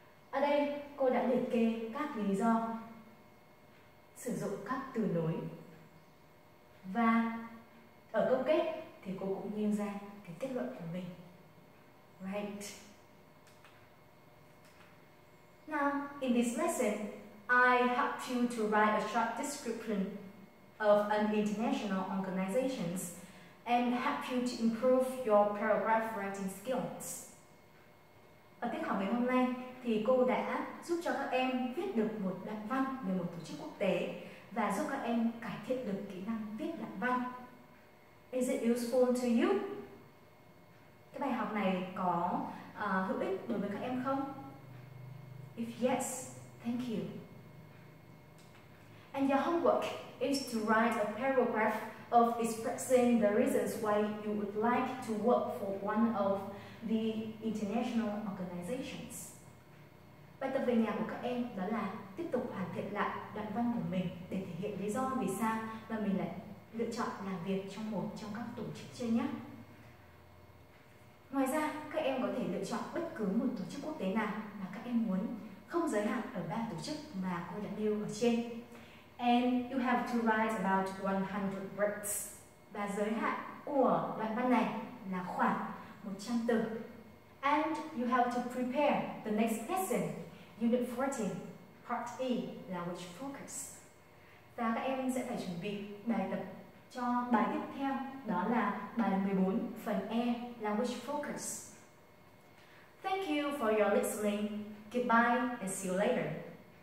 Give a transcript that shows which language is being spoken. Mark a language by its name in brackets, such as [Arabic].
[Vietnamese] Ở đây cô đã liệt kê các lý do sử dụng các từ nối. Và ở câu kết thì cô cũng nêu ra cái kết luận của mình. [English] Right. Now, in this lesson, I helped you to write a short description of an international organization and help you to improve your paragraph writing skills. [Vietnamese] Ở tiết học ngày hôm nay thì cô đã giúp cho các em viết được một đoạn văn về một tổ chức quốc tế và giúp các em cải thiện được kỹ năng viết đoạn văn. [English] Is it useful to you? [Vietnamese] Cái bài học này có hữu ích đối với các em không? [English] If yes, thank you. And your homework is to write a paragraph of expressing the reasons why you would like to work for one of the international organizations. [Vietnamese] Bài tập về nhà của các em đó là tiếp tục hoàn thiện lại đoạn văn của mình để thể hiện lý do vì sao mà mình lại lựa chọn làm việc trong một trong các tổ chức trên nhé. Ngoài ra, các em có thể lựa chọn bất cứ một tổ chức quốc tế nào mà các em muốn, không giới hạn ở ba tổ chức mà cô đã nêu ở trên. [English] And you have to write about 100 words. [Vietnamese] Và giới hạn của đoạn văn này là khoảng 100 từ. [English] And you have to prepare the next lesson, Unit 14, Part E, Language Focus. [Vietnamese] Và các em sẽ phải chuẩn bị bài tập cho bài tiếp theo, đó là bài 14, phần E, Language Focus. [English] Thank you for your listening. Goodbye and see you later.